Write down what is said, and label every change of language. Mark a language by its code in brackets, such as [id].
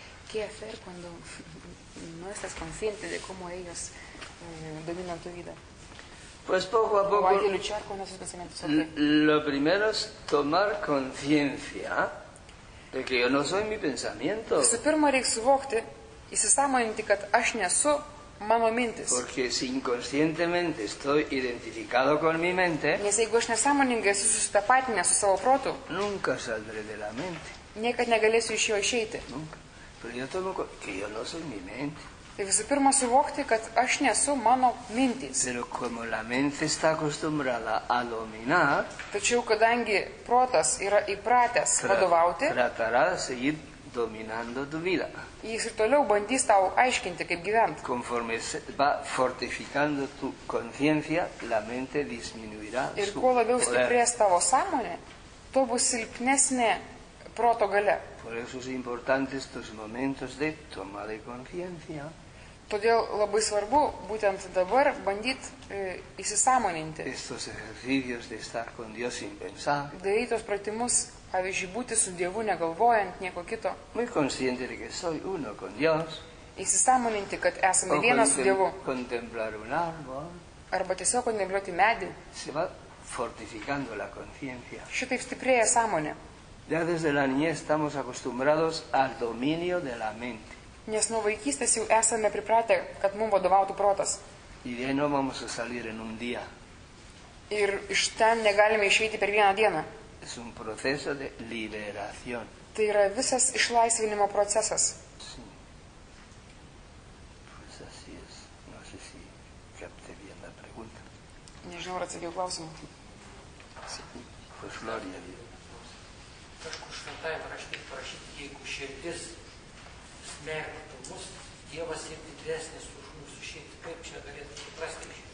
[es] ¿Qué hacer cuando no estás consciente de cómo ellos dominan tu vida? Pues poco a poco. ¿O hay que luchar con esos pensamientos? Lo primero es tomar conciencia de que yo no soy mi pensamiento. [lt] Visų pirma, reik suvokti, įsisąmoninti, kad aš nesu mano mintis. [es] Porque si inconscientemente estoy identificado con mi mente. [lt] Nes jeigu aš nesąmoningai esu susitapatinęs su savo protu. [es] Nunca saldré de la mente. [lt] Niekad negalėsiu iš jo išeiti. [es] Nunca. Pero yo tomo que yo no soy mi mente. [lt] Tai visų pirma suvokti, kad aš nesu mano mintis. [es] Pero como la mente está acostumbrada a dominar. [lt] Tačiau kadangi protas yra įpratęs vadovauti. [es] Tratará de seguir dominando tu vida. [lt] Jis ir toliau bandys tau aiškinti, kaip gyventi. [es] Conforme va fortificando tu conciencia, la mente disminuirá su poder. [lt] Ir kuo labiau stiprės tavo sąmonė, tuo bus silpnesnė proto galia. [es] Por eso es importante estos momentos de toma de conciencia. [lt] Todėl labai svarbu būtent dabar bandyt įsisąmoninti. [es] Estos ejercicios de estar con Dios sin pensar. [lt] Darytos pratimus, pavyzdžiui, būti su Dievu negalvojant nieko kito. [es] Muy consciente de que soy uno con Dios. [lt] Įsisąmoninti, kad esame vienas su Dievu. [es] Contemplar un árbol. [lt] Arba tiesiog kontempliuoti medį. [es] Se va fortificando la conciencia. [lt] Šitaip stiprėja sąmonė. [es] Ya desde la niñez estamos acostumbrados al dominio de la mente. [lt] Nes nuo vaikystės jau esame pripratę, kad mum vadovautų protas. Ir jei [es] nuomamos salir en un día. [lt] Ir iš ten negalime išeiti per vieną dieną. [es] Es un proceso de liberación. [lt] Tai yra visas išlaisvinimo procesas. [es] Sí. Pues así es. No sé si capté bien la pregunta. [lt] Nežinau, ar atsakiau klausimą. [es] Pues gloria a Dios. [lt] Kažkur šventajam rašte parašyti, jeigu širdis smerktų mus, Dievas yra didesnis už mūsų širdį. Kaip čia galėtų suprasti?